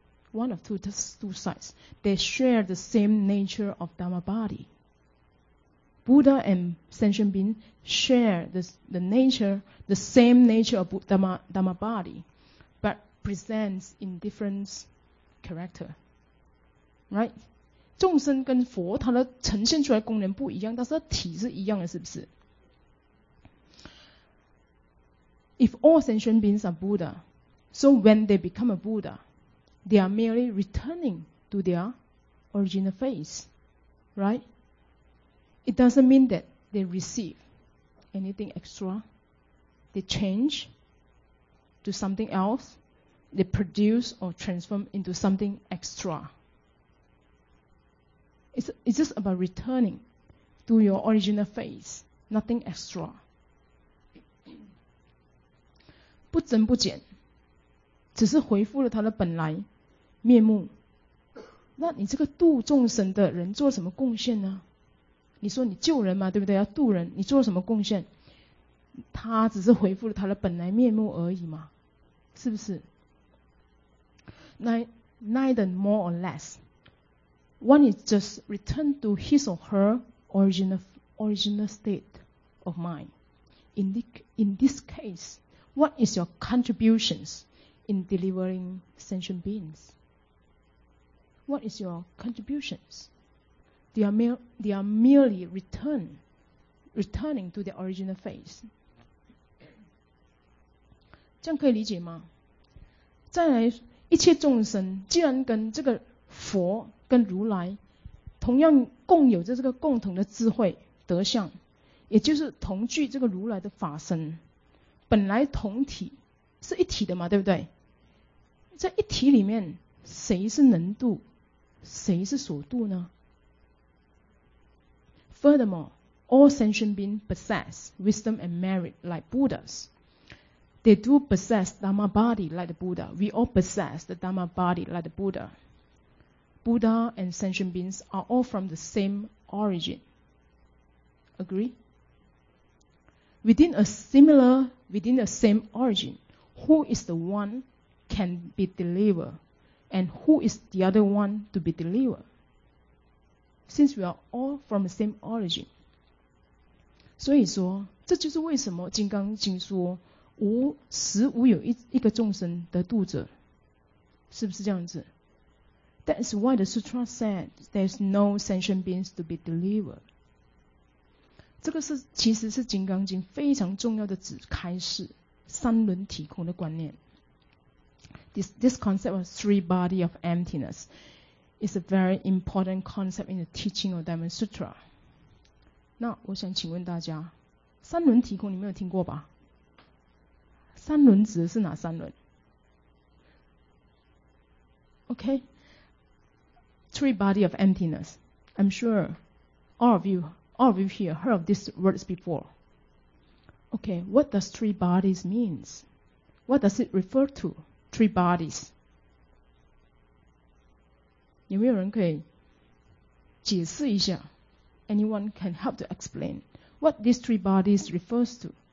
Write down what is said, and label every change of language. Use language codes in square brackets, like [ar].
[en] One of two sides. They share the same nature of Dharma body. Buddha and sentient beings share the nature, the same nature of Dharma body, but presents in different character. Right? [zh] 众生跟佛它的呈现出来功能不一样，但是体是一样的，是不是？ [en] If all sentient beings are Buddha, so when they become a Buddha, they are merely returning to their original face. Right? It doesn't mean that they receive anything extra. They change to something else. They produce or transform into something extra. It's just about returning to your original face, nothing extra. [zh] 不增不减，只是恢复了他的本来面目。那你这个度众生的人做什么贡献呢？你说你救人嘛，对不对？要度人，你做什么贡献？他只是恢复了他的本来面目而已嘛，是不是？ [en] Neither more or less. One is just return to his or her original state of mind. In this case, what is your contributions in delivering sentient beings? What is your contributions? They are merely returning to their original face. [zh] 这样可以理解吗？再来，一切众生既然跟这个佛跟如来同样共有着这个共同的智慧德相，也就是同具这个如来的法身，本来同体是一体的嘛，对不对？在一体里面，谁是能度？谁是所度呢？ [en] Furthermore, all sentient beings possess wisdom and merit like Buddhas. They do possess Dharma body like the Buddha. We all possess the Dharma body like the Buddha. Buddha and sentient beings are all from the same origin. Agree? Within the same origin, who is the one can be delivered? And who is the other one to be delivered? Since we are all from the same origin. [zh] 所以说，这就是为什么《金刚经》说，无时无有一个众生得度者，是不是这样子？ [en] That's why the sutra said there's no sentient beings to be delivered. [zh] 这个是其实是《金刚经》非常重要的指开示三轮体空的观念。 [en] This concept of three body of emptiness is a very important concept in the teaching of Diamond Sutra. [zh] 那我想请问大家，三轮体空你没有听过吧？三轮指的是哪三轮？ [en] OK, three body of emptiness. I'm sure all of you here heard of these words before. OK, what does three bodies mean? What does it refer to? Three bodies. [zh] 有没有人可以解释一下? [en] Anyone can help to explain what these three bodies refers to?